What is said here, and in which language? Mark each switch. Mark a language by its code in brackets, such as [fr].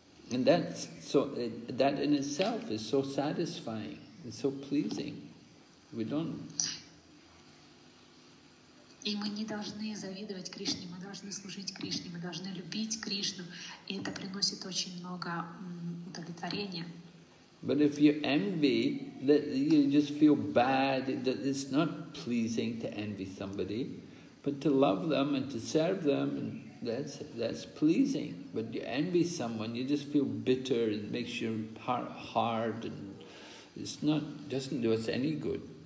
[en] And that's, so it, that in itself is so satisfying, it's so pleasing. We don't... [ru] И мы не должны завидовать Кришне, мы должны служить Кришне, мы должны любить Кришну, и это приносит очень много удовлетворения. [en] But if you envy, that you just feel bad, that it's not pleasing to envy somebody, but to love them and to serve them, and that's pleasing. But you envy someone, you just feel bitter, it makes your heart hard, and it's not, doesn't do us any good.